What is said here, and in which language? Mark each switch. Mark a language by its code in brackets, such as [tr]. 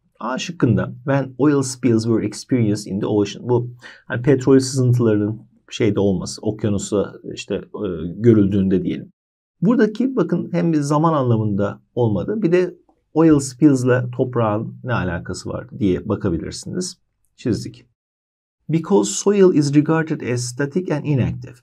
[tr] A şıkkında [en] when oil spills were experienced in the ocean. [tr] Bu hani petrol sızıntılarının şeyde olması, okyanusa işte görüldüğünde diyelim. Buradaki bakın hem bir zaman anlamında olmadı, bir de oil spills'la toprağın ne alakası var diye bakabilirsiniz. Çizdik. [en] Because soil is regarded as static and inactive.